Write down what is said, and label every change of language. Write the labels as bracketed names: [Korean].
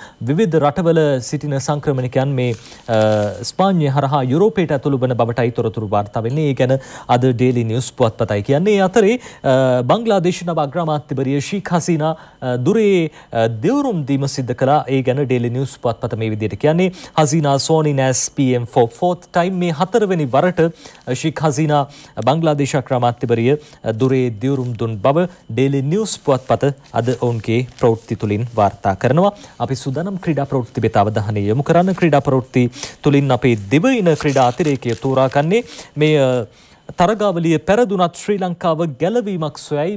[Sinhala] විවිධ රටවල සිටින සංක්‍රමණිකයන් මේ ස්පාඤ්ඤය හරහා යුරෝපයට ඇතුළු වන බවටයි තොරතුරු වාර්තා වෙන්නේ. ඒ ගැන අද ඩේලි නිවුස් පුවත්පතයි කියන්නේ. අතරේ බංග්ලාදේශ නව අග්‍රාමාත්‍යවරිය ෂේඛ් හසීනා දුරේ දෙවුරුම් දීම සිද්ධ කළා. ඒ ගැන ඩේලි නිවුස් පුවත්පත මේ විදිහට කියන්නේ. [English] Hasina sworn in as PM for fourth time. [Sinhala] මේ හතරවෙනි වරට ෂේඛ් හසීනා බංග්ලාදේශ අග්‍රාමාත්‍යවරිය දුරේ දෙවුරුම් දුන් බව ඩේලි නිවුස් පුවත්පත අද ඔවුන්ගේ ප්‍රවෘත්ති තුලින් වාර්තා කරනවා. අපි සුදානම් ක්‍රීඩා ප්‍රවෘත්ති වෙත අවධානය යොමු කරන්න. ක්‍රීඩා ප්‍රවෘත්ති තුලින් අපි දිවයින ක්‍රීඩා අතිරේකය තෝරා ගන්නේ මේ තරගාවලිය පෙරදුනත් ශ්‍රී ලංකාව ගැලවීමක් සොයයි.